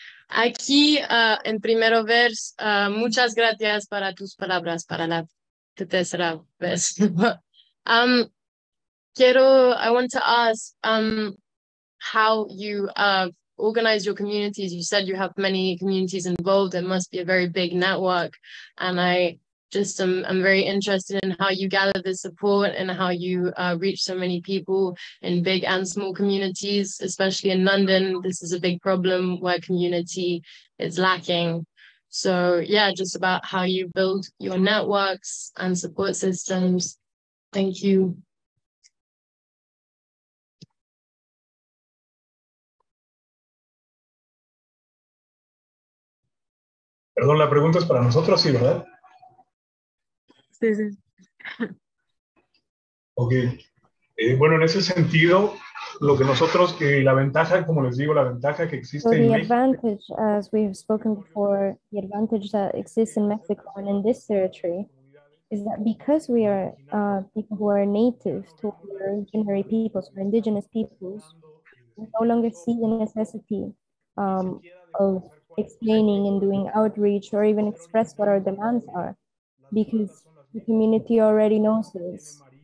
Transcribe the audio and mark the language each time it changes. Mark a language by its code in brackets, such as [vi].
[es] Aquí, en primero vers, muchas gracias para tus palabras para la tercera vez. [en] I want to ask how you organize your communities. You said you have many communities involved. It must be a very big network. And I just am very interested in how you gather the support and how you reach so many people in big and small communities, especially in London. This is a big problem where community is lacking. So yeah, just about how you build your networks and support systems. Thank you. [es] Perdón, la pregunta es para nosotros, sí, ¿verdad? Sí, sí. Ok. Bueno, en ese sentido, lo que nosotros, la ventaja, como les digo, la ventaja que existe en México. [en] Advantage, as we have spoken before, the advantage that exists in Mexico and in this territory is that because we are people who are native to our originary peoples, our indigenous peoples, we no longer see the necessity of explaining and doing outreach or even express what our demands are, because the community already knows this.